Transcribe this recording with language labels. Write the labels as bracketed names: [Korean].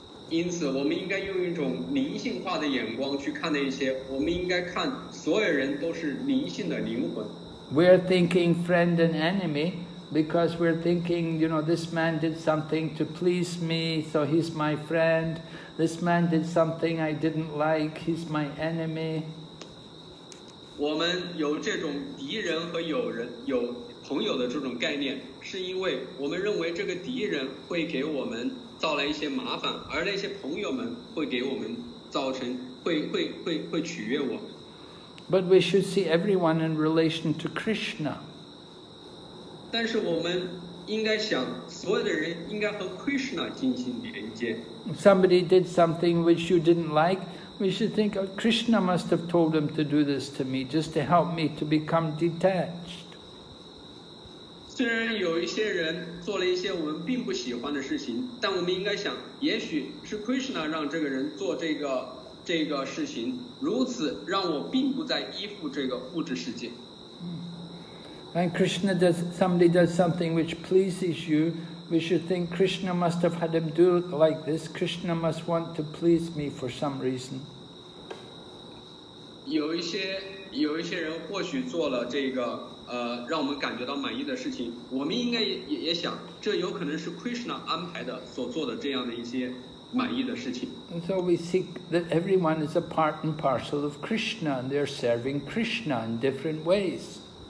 [Chinese] 因此，我们应该用一种灵性化的眼光去看那些。我们应该看所有人都是灵性的灵魂。 [English] We are thinking friend and enemy because we're thinking, you know, this man did something to please me, so he's my friend. This man did something I didn't like, he's my enemy. [Chinese] 我们有这种敌人和友人有朋友的这种概念，是因为我们认为这个敌人会给我们造来一些麻烦，而那些朋友们会给我们造成会取悦我们。 [English] But we should see everyone in relation to Krishna. [Chinese] 但是我们应该想，所有的人应该和 Krishna 进行连接。 [English] Somebody did something which you didn't like. We should think, oh, Krishna must have told him to do this to me, just to help me to become detached. [Chinese] 虽然有一些人做了一些我们并不喜欢的事情，但我们应该想，也许是 Krishna 让这个人做这个事情，如此让我并不再依附这个物质世界。 [English] When Krishna does, somebody does something which pleases you, we should think Krishna must have had him do it like this. Krishna must want to please me for some reason. [Chinese] 有一些人或许做了这个让我们感觉到满意的事情，我们应该也想，这有可能是 Krishna 安排的所做的这样的一些。 [English] And so we seek that everyone is a part and parcel of Krishna and they are serving Krishna in different ways.